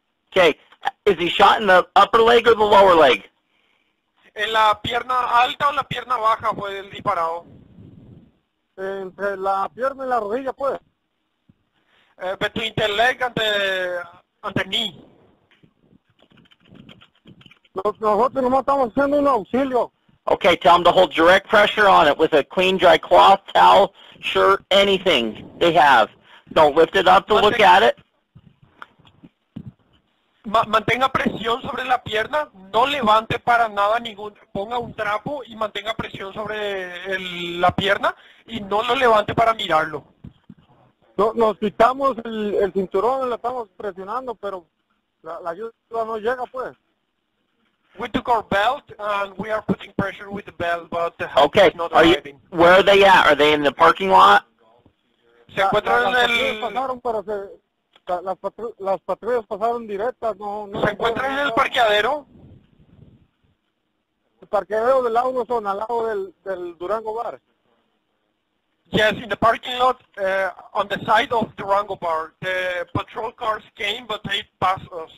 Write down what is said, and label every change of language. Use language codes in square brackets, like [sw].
[en] Okay, is he shot in the upper leg or the lower leg? [es] ¿En la pierna alta o la pierna baja fue el disparado? Entre la pierna y la rodilla, pues. Between the leg and the knee. Nosotros nomás estamos haciendo un auxilio. [en] Okay, tell them to hold direct pressure on it with a clean, dry cloth, towel, shirt, anything they have. Don't lift it up to look at it. [es] Mantenga presión sobre la pierna. No levante para nada ningún. Ponga un trapo y mantenga presión sobre la pierna y no lo levante para mirarlo. Nos quitamos el cinturón, lo estamos presionando, pero la ayuda no llega, pues. [en] We took our belt and we are putting pressure with the belt, but the help okay. is not are arriving. You, where are they at? Are they in the parking lot? [es] Se encuentran en el. Las patrullas pasaron directas, no. Se encuentran en el parqueadero. parqueo del lado no son al lado del Durango Bar. [en] Yes, in the parking lot on the side of Durango Bar, the patrol cars came, but they passed us.